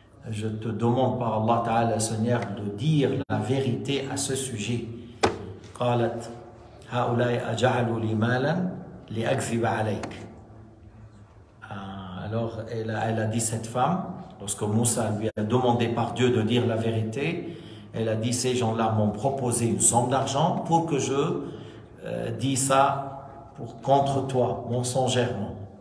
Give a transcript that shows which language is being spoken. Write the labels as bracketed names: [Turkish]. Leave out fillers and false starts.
[French] Je te demande par Allah Ta'ala Seigneur de dire la vérité à ce sujet. [Arabic] قالت هؤلاء أجعلوا لي مالا لأكذب عليك. [French] Alors elle a dit cette femme, lorsque Moussa lui a demandé par Dieu de dire la vérité, elle a dit ces gens-là m'ont proposé une somme d'argent pour que je dis ça pour contre toi, mensongèrement.